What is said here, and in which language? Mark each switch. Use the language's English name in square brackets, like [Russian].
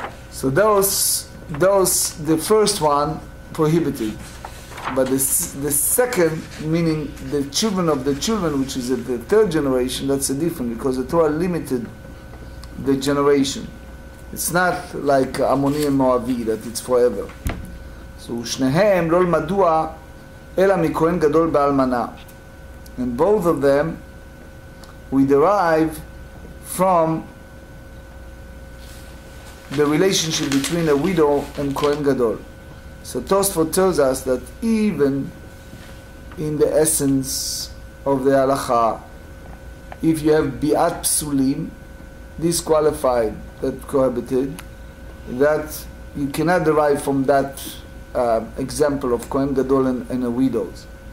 [English] So those, the first one prohibited. But the second, meaning the children of the children, which is the third generation, that's a different, because the Torah limited the generation. It's not like Amoni and Moavi, that it's forever. [Hebrew] So, ושניהם לא למדוע, אלא מכהן גדול באלמנה. [English] And both of them, we derive from the relationship between a widow and Kohen Gadol. So Tosfot tells us that even in the essence of the halacha, if you have bi'at psulim, disqualified, that cohabited, that you cannot derive from that example of Kohen Gadol and a widows.